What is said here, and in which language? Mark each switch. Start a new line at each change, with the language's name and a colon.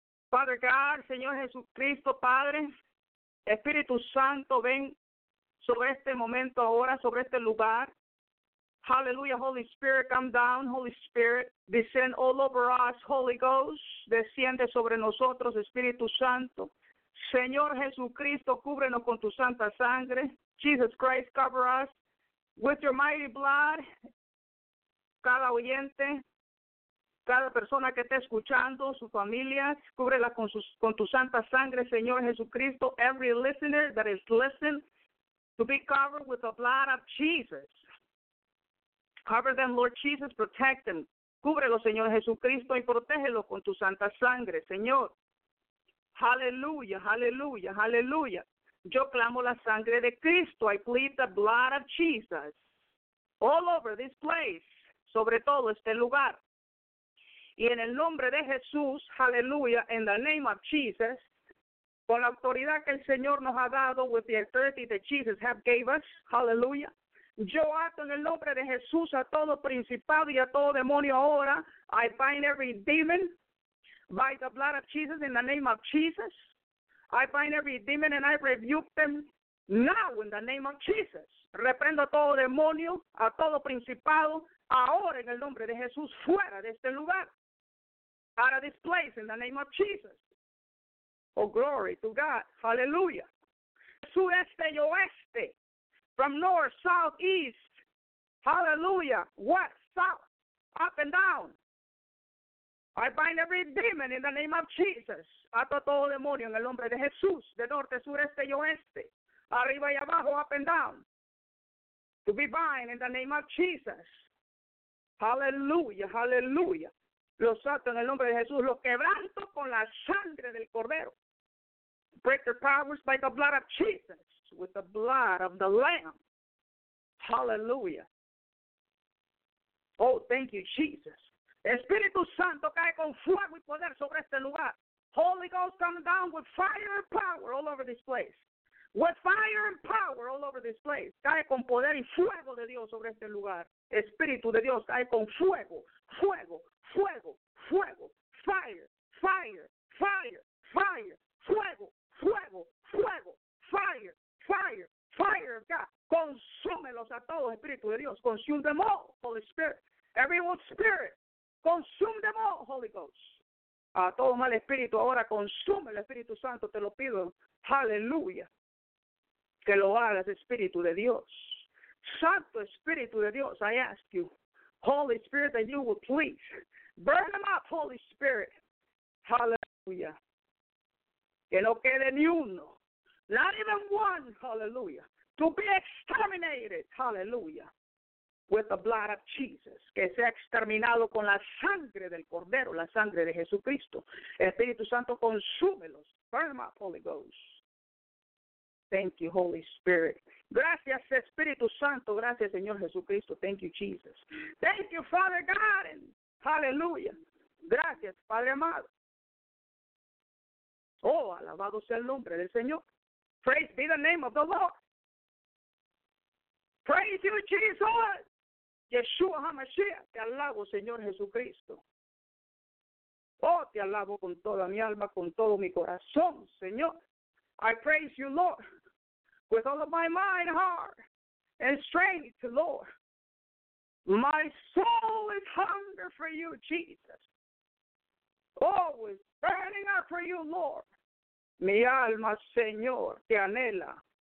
English: Father God,
Spanish: Señor Jesucristo, Padre, Espíritu Santo, ven sobre este momento ahora, sobre este lugar.
English: Hallelujah, Holy Spirit, come down, Holy Spirit, descend all over us, Holy Ghost,
Spanish: desciende sobre nosotros, Espíritu Santo. Señor Jesucristo, cúbrenos con tu santa sangre.
English: Jesus Christ, cover us with your mighty blood.
Spanish: Cada oyente, cada persona que esté escuchando, sus familias, cúbrela con tu santa sangre, Señor Jesucristo.
English: Every listener that is listening, to be covered with the blood of Jesus. Cover them, Lord Jesus, protect them.
Spanish: Cúbrelo, Señor Jesucristo, y protégelo con tu santa sangre, Señor. Hallelujah, hallelujah, hallelujah. Yo clamo la sangre de Cristo.
English: I plead the blood of Jesus. All over this place,
Spanish: sobre todo este lugar. Y en el nombre de Jesús, hallelujah,
English: in the name of Jesus,
Spanish: con la autoridad que el Señor nos ha dado,
English: with the authority that Jesus have gave us,
Spanish: hallelujah, yo ato en el nombre de Jesús a todo principado y a todo demonio ahora.
English: I bind every demon by the blood of Jesus, in the name of Jesus. I bind every demon and I rebuke them now in the name of Jesus.
Spanish: Reprendo a todo demonio, a todo principado, ahora en el nombre de Jesús, fuera de este lugar.
English: Out of this place, in the name of Jesus. Oh, glory to God. Hallelujah.
Spanish: Sureste y oeste.
English: From north, south, east. Hallelujah. West, south, up and down. I bind every demon in the name of Jesus.
Spanish: Ato todo demonio en el nombre de Jesús. De norte, sureste y oeste. Arriba y abajo,
English: up and down. To be bind in the name of Jesus.
Spanish: Hallelujah, hallelujah. Los ato en el nombre de Jesús. Los quebranto con la sangre del Cordero.
English: Break their powers by the blood of Jesus, with the blood of the Lamb. Hallelujah. Oh, thank you, Jesus.
Spanish: Espíritu Santo, cae con fuego y poder sobre este lugar.
English: Holy Ghost, come down with fire and power all over this place. With fire and power all over this place.
Spanish: Cae con poder y fuego de Dios sobre este lugar. Espíritu de Dios, cae con fuego, fuego, fuego, fuego,
English: fire, fire, fire, fire,
Spanish: fuego. Fuego, fuego,
English: fire, fire, fire of God.
Spanish: Consúmelos a todos, Espíritu de Dios.
English: Consume them all, Holy Spirit. Everyone, Spirit. Consume them all, Holy Ghost.
Spanish: A todo mal espíritu, ahora consume el Espíritu Santo, te lo pido. Hallelujah. Que lo hagas, Espíritu de Dios. Santo Espíritu de Dios,
English: I ask you, Holy Spirit, that you will please burn them up, Holy Spirit.
Spanish: Hallelujah. Que no quede ni uno,
English: not even one,
Spanish: hallelujah,
English: to be exterminated,
Spanish: hallelujah,
English: with the blood of Jesus,
Spanish: que sea exterminado con la sangre del Cordero, la sangre de Jesucristo. Espíritu Santo, consúmelos,
English: burn them up, Holy Ghost. Thank you, Holy Spirit.
Spanish: Gracias, Espíritu Santo, gracias, Señor Jesucristo.
English: Thank you, Jesus. Thank you, Father God, and hallelujah.
Spanish: Gracias, Padre amado. Oh, alabado sea el nombre del Señor.
English: Praise be the name of the Lord. Praise you, Jesus. Yeshua HaMashiach.
Spanish: Te alabo, Señor Jesucristo. Oh, te alabo con toda mi alma, con todo mi corazón, Señor.
English: I praise you, Lord, with all of my mind, heart, and strength, Lord. My soul is hungry for you, Jesus. Always burning up for you, Lord.
Spanish: Mi alma, Señor, te anhela.